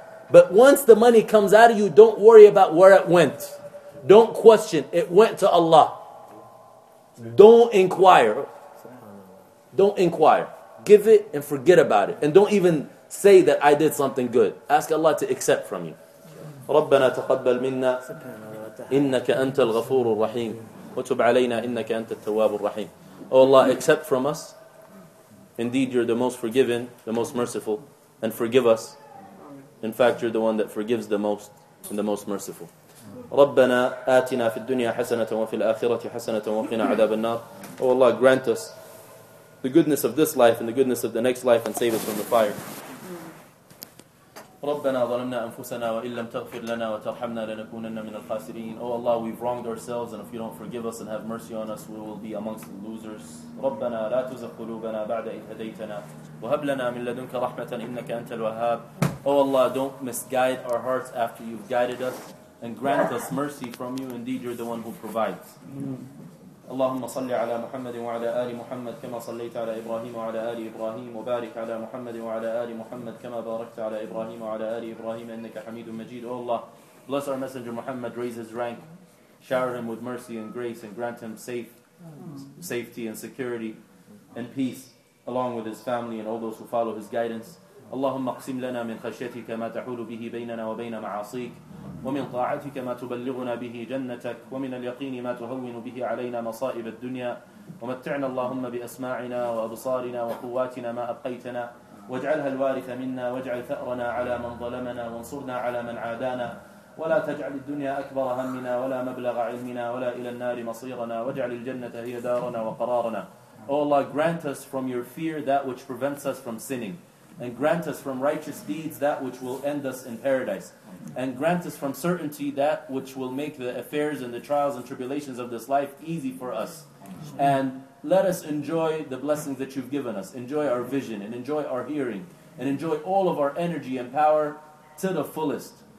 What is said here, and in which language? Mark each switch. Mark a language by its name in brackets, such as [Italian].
[English] But once the money comes out of you, don't worry about where it went. Don't question. It went to Allah. Don't inquire. Don't inquire. Give it and forget about it. And don't even say that I did something good. Ask Allah to accept from you. [Arabic] رَبَّنَا تَقَبَّلْ مِنَّا إِنَّكَ أَنْتَ الْغَفُورُ الرَّحِيمُ وَتُبْ عَلَيْنَا إِنَّكَ أَنْتَ التَّوَّابُ الرَّحِيمُ [English] Oh Allah, accept from us. Indeed, you're the most forgiven, the most merciful. And forgive us. In fact, you're the one that forgives the most and the most merciful. [Arabic] رَبَّنَا آتِنَا فِي الدُّنْيَا حَسَنَةً وَفِي الْآخِرَةِ حَسَنَةً وَقِنَا عَذَابَ النَّارِ [English] Oh Allah, grant us the goodness of this life and the goodness of the next life and save us from the fire. [Arabic] ربنا ظلمنا أنفسنا وإن لم تغفر لنا وترحمنا لنكونن من الخاسرين. [English] Oh Allah, we've wronged ourselves, and if you don't forgive us and have mercy on us, we will be amongst the losers. [Arabic] ربنا لا تزغ قلوبنا بعد إذ هديتنا وهب لنا من لدنك رحمة إنك أنت الوهاب. [English] Oh Allah, don't misguide our hearts after you've guided us, and grant us mercy from you. Indeed, you're the one who provides. [Arabic] اللهم صل على محمد وعلى آل محمد كما صليت على إبراهيم وعلى آل إبراهيم وبارك على محمد وعلى آل محمد كما باركت على إبراهيم وعلى آل إبراهيم إنك حميد مجيد. [English] Oh Allah, bless our messenger Muhammad, raise his rank, shower him with mercy and grace, and grant him safety and security and peace along with his family and all those who follow his guidance. [Arabic] اللهم اقسم لنا من خشيتك ما تحول به بيننا وبين معاصيك ومن طاعتك ما تبلغنا به جنتك ومن اليقين ما تهون به علينا مصائب الدنيا ومتعنا اللهم بأسماعنا وأبصارنا وقواتنا ما أبقيتنا واجعلها الوارث منا واجعل ثأرنا على من ظلمنا وانصرنا على من عادانا ولا تجعل الدنيا أكبر همنا ولا مبلغ علمنا ولا إلى النار مصيرنا واجعل الجنة هي دارنا وقرارنا. [English] O Allah, grant us from your fear that which prevents us from sinning, and grant us from righteous deeds that which will end us in paradise, and grant us from certainty that which will make the affairs and the trials and tribulations of this life easy for us. And let us enjoy the blessings that you've given us. Enjoy our vision and enjoy our hearing and enjoy all of our energy and power to the fullest.